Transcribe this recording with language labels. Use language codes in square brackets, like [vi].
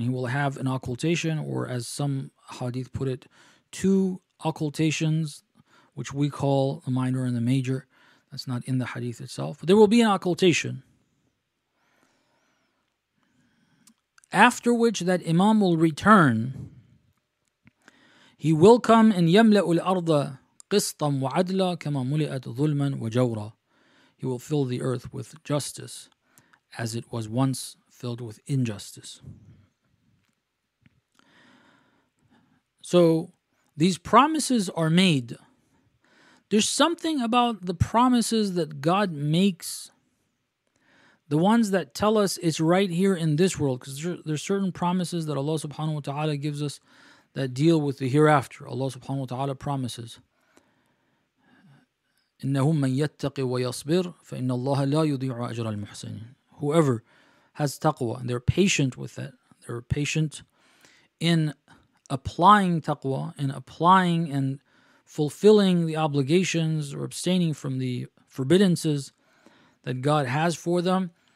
[en] He will have an occultation, or as some hadith put it, two occultations, which we call the minor and the major. That's not in the hadith itself. But there will be an occultation, after which that Imam will return. He will come in [ar] يَمْلَأُ الْأَرْضَ قسطا وعدلا كما ملئت ظلما وجورا. [en] He will fill the earth with justice as it was once filled with injustice. So these promises are made. There's something about the promises that God makes, the ones that tell us it's right here in this world, because there's certain promises that Allah subhanahu wa ta'ala gives us that deal with the hereafter. Allah subhanahu wa ta'ala promises, [ar] إِنَّهُمْ مَنْ يَتَّقِ وَيَصْبِرْ فَإِنَّ اللَّهَ لَا يُضِيعُ أَجْرَ الْمُحْسَنِينَ. [en] Whoever has taqwa, and they're patient with that, they're patient in applying taqwa, in applying and fulfilling the obligations or abstaining from the forbiddances that God has for them.